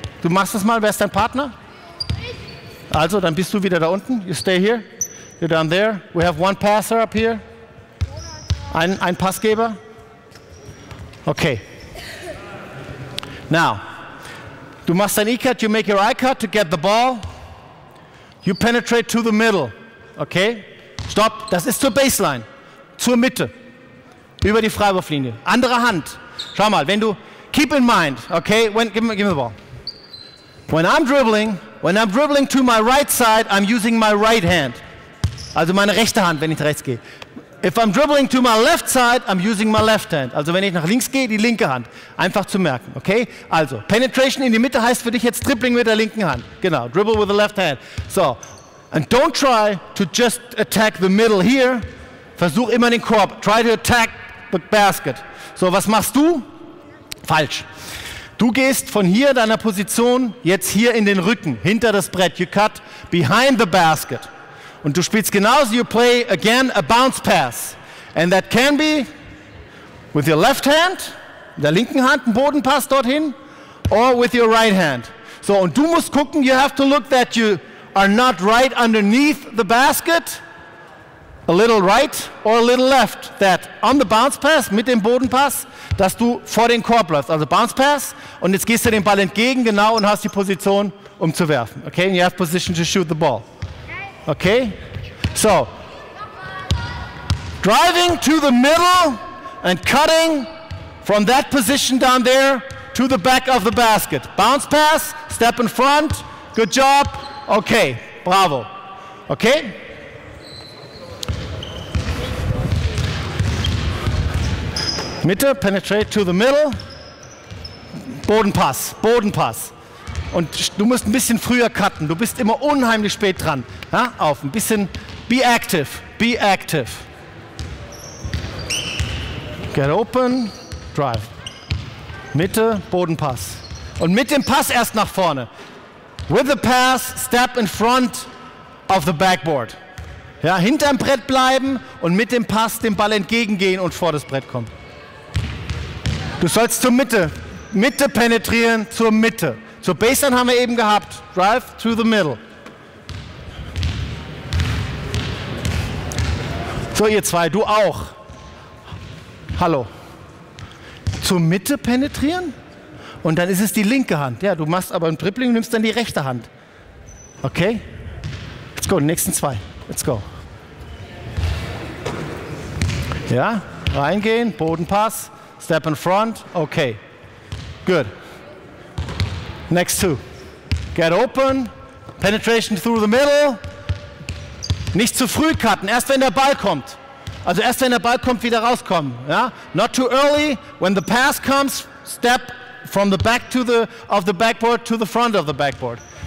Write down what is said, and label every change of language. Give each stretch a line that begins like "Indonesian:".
German: Du machst das mal. Wer ist dein Partner? Also, dann bist du wieder da unten.
English: You stay here. You're down there. We have one passer up here.
German: Ein Passgeber.
English: Okay. Now,
German: du machst dein E-Cut,
English: you make your I-Cut to get the ball. You penetrate to the middle. Okay?
German: Stopp, das ist zur Baseline. Zur Mitte. Über die Freiwurflinie. Andere Hand. Schau mal, wenn du,
English: keep in mind, okay? Give me the ball. When I'm dribbling to my right side, I'm using my right hand.
German: Also meine rechte Hand, wenn ich rechts gehe.
English: If I'm dribbling to my left side, I'm using my left hand.
German: Also wenn ich nach links gehe, die linke Hand. Einfach zu merken, okay? Also, Penetration in die Mitte heißt für dich jetzt Dribbling mit der linken Hand. Genau,
English: dribble with the left hand. So, and don't try to just attack the middle here.
German: Versuch immer den Korb.
English: Try to attack the basket.
German: So, was machst du? Falsch. Du gehst von hier, deiner Position, jetzt hier in den Rücken, hinter das Brett.
English: You cut behind the basket.
German: Und du spielst genauso,
English: you play again a bounce pass. And that can be with your left hand,
German: der linken Hand, ein Bodenpass dorthin,
English: or with your right hand.
German: So, und du musst gucken,
English: you have to look that you are not right underneath the basket, a little right or a little left. That on the bounce pass,
German: mit dem Bodenpass, dass du vor den Korb läufst. Also bounce pass, und jetzt gehst du dem Ball entgegen, genau, und hast die Position, um zu werfen.
English: Okay, and you have position to shoot the ball. Okay, so, driving to the middle and cutting from that position down there to the back of the basket. Bounce pass, step in front, good job, okay, bravo, okay? Mitte, penetrate to the middle, Bodenpass, Bodenpass.
German: Und du musst ein bisschen früher cutten. Du bist immer unheimlich spät dran. Ja, auf, ein bisschen.
English: Be active. Be active. Get open. Drive.
German: Mitte, Bodenpass. Und mit dem Pass erst nach vorne.
English: With the pass, step in front of the backboard.
German: Ja, hinterm Brett bleiben und mit dem Pass dem Ball entgegengehen und vor das Brett kommen. Du sollst zur Mitte. Mitte penetrieren, zur Mitte. So, Baseline haben wir eben gehabt.
English: Drive to the middle.
German: So, ihr zwei, du auch. Hallo. Zur Mitte penetrieren? Und dann ist es die linke Hand. Ja, du machst aber ein Dribbling und nimmst dann die rechte Hand.
English: Okay? Let's go,
German: nächsten zwei.
English: Let's go.
German: Ja, reingehen, Bodenpass.
English: Step in front. Okay. Good. Next two. Get open. Penetration through the middle.
German: Nicht zu früh cutten. Erst wenn der Ball kommt. Also erst wenn der Ball kommt, wieder rauskommen.
English: Ja? Not too early. When the pass comes, step from the back to the of the backboard to the front of the backboard.